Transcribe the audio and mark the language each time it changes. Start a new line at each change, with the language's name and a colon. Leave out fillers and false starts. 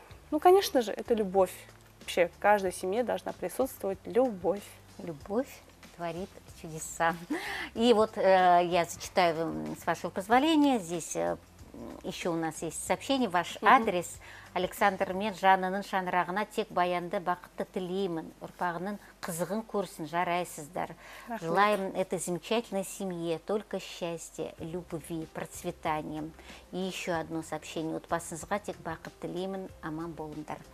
Russian: Ну, конечно же, это любовь. Вообще, в каждой семье должна присутствовать любовь. Любовь творит чудеса. И вот я зачитаю, с вашего позволения, здесь еще у нас есть сообщение, ваш адрес.
Kazakh: Александр мен Жанның шанырағына тек баянды бақытты тілеймін. Ұрпағының қызығын көрсін, жарайсыздар.
Russian: Желаем этой замечательной семье только счастья, любви, процветания. И еще одно сообщение.
Kazakh: Отбасыңызға тек бақыт тілеймін, аман болыңдар.